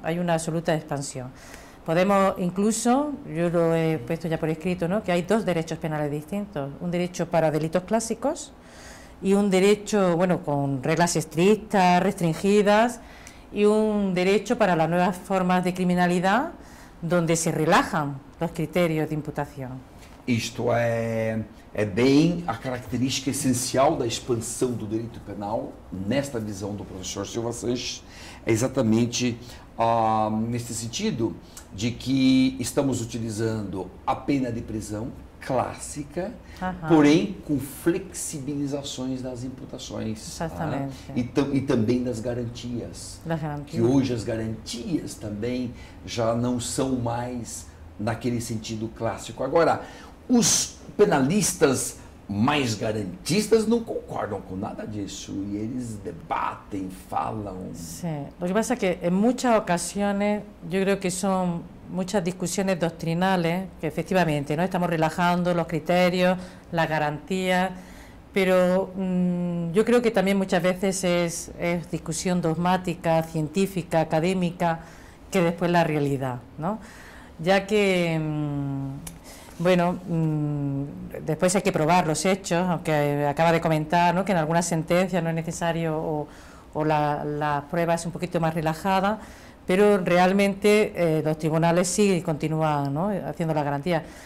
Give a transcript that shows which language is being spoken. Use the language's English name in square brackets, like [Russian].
[Spanish] Hay una absoluta expansión. Podemos incluso, yo lo he puesto ya por escrito, ¿no?, que hay dos derechos penales distintos, un derecho para delitos clásicos y un derecho, bueno, con reglas estrictas, restringidas, y un derecho para las nuevas formas de criminalidad donde se relajan los criterios de imputación. [Portuguese] Isto é bem a característica essencial da expansão do direito penal, nesta visão do professor Silva Sanches, é exatamente nesse sentido de que estamos utilizando a pena de prisão clássica, porém com flexibilizações nas imputações. Exatamente. E também nas garantias. Das garantias. Que hoje as garantias também já não são mais naquele sentido clássico. Agora, os penalistas mais garantistas não concordam com nada disso e eles debatem, falam. Sim. [Spanish] O que pasa [Portuguese] é que em muitas ocasiões, eu creio que são muitas discussões doctrinales, que efetivamente, não estamos relajando os critérios, as garantias, mas eu creio que também muitas vezes é discussão dogmática, científica, acadêmica, que depois a realidade, não? Já que [Spanish] bueno, después hay que probar los hechos, aunque acaba de comentar, ¿no?, que en algunas sentencias no es necesario o la prueba es un poquito más relajada, pero realmente los tribunales sí continúan, ¿no?, haciendo la garantía.